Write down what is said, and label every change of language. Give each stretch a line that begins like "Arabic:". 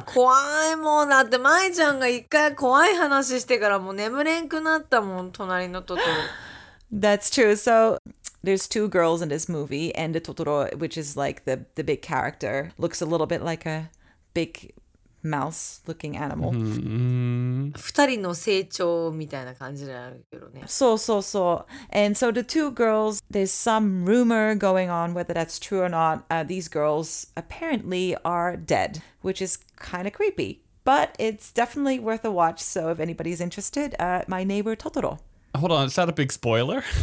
Japanese: 怖いもん。だって舞ちゃんが一回怖い話してからもう眠れんくなったもん、隣のトトロ。
English: That's true. So there's two girls in this movie, and the Totoro, which is like the big character, looks a little bit like a big mouse looking animal.
Japanese: 二人の成長みたいな感じであるけどね。そうそうそう。
English: And so the two girls, there's some rumor going on whether that's true or not. These girls apparently are dead, which is kind of creepy. But it's definitely worth a watch. So if anybody's interested, My Neighbor Totoro. Hold on, is that a big spoiler?